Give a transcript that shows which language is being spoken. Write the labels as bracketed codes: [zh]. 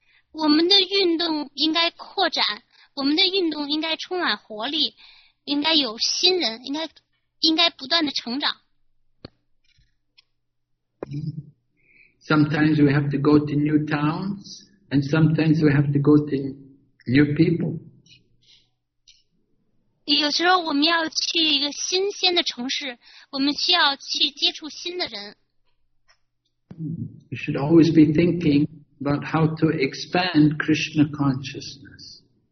[zh] 我们的运动应该扩展，我们的运动应该充满活力，应该有新人，应该不断的成长。 [en] Sometimes we have to go to new towns, and sometimes we have to go to new people. [zh] 有时候我们要去一个新鲜的城市，我们需要去接触新的人。 [en] We should always be thinking about how to expand Krishna consciousness.